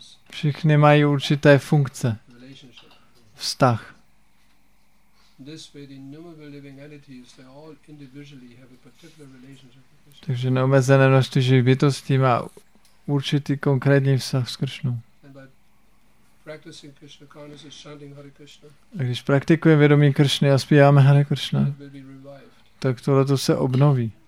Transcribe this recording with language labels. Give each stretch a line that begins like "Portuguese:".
Czech: Všichni mají určité funkce. Vztah.
English: this way the innumerable living entities, they all individually have a particular relationship with Krishna.
Czech: Takže neomezené množství živých bytostí má určitý konkrétní vztah s Krishnou.
English: And by practicing Krishna consciousness, chanting Hare Krishna.
Czech: A když praktikujeme vědomí Krishny a zpíváme Hare Krishna, tak tohle to se obnoví.